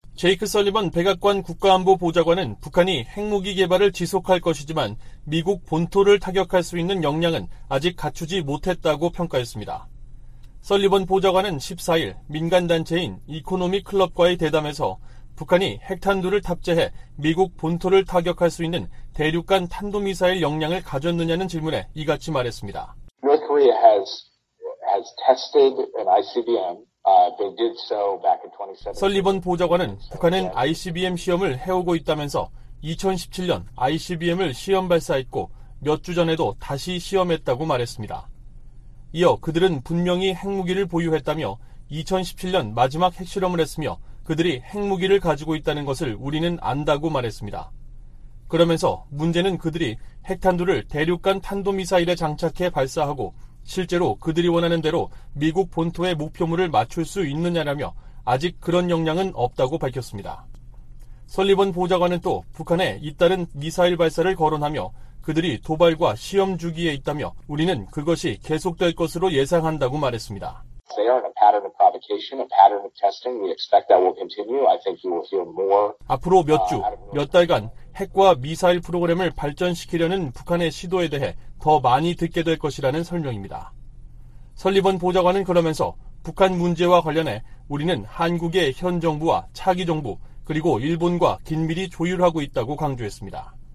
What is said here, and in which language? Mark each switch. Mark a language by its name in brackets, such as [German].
[Korean] 제이크 설리번 백악관 국가안보 보좌관은 북한이 핵무기 개발을 지속할 것이지만 미국 본토를 타격할 수 있는 역량은 아직 갖추지 못했다고 평가했습니다. 설리번 보좌관은 14일 민간단체인 이코노미 클럽과의 대담에서 북한이 핵탄두를 탑재해 미국 본토를 타격할 수 있는 대륙간 탄도미사일 역량을 가졌느냐는 질문에 이같이 말했습니다. [English] North Korea has tested an ICBM. They did so back in 2017. [Korean] 설리번 보좌관은 북한은 ICBM 시험을 해오고 있다면서 2017년 ICBM을 시험 발사했고 몇 주 전에도 다시 시험했다고 말했습니다. 이어 그들은 분명히 핵무기를 보유했다며 2017년 마지막 핵실험을 했으며 그들이 핵무기를 가지고 있다는 것을 우리는 안다고 말했습니다. 그러면서 문제는 그들이 핵탄두를 대륙간 탄도미사일에 장착해 발사하고 실제로 그들이 원하는 대로 미국 본토의 목표물을 맞출 수 있느냐라며 아직 그런 역량은 없다고 밝혔습니다. 설리번 보좌관은 또 북한에 잇따른 미사일 발사를 거론하며 그들이 도발과 시험 주기에 있다며 우리는 그것이 계속될 것으로 예상한다고 말했습니다. [English] They are in a pattern of provocation, a pattern of testing. We expect that will continue. I think you will hear more. [Korean] 앞으로 몇 주, 몇 달간 핵과 미사일 프로그램을 발전시키려는 북한의 시도에 대해 더 많이 듣게 될 것이라는 설명입니다. 설리번 보좌관은 그러면서 북한 문제와 관련해 우리는 한국의 현 정부와 차기 정부 그리고 일본과 긴밀히 조율하고 있다고 강조했습니다.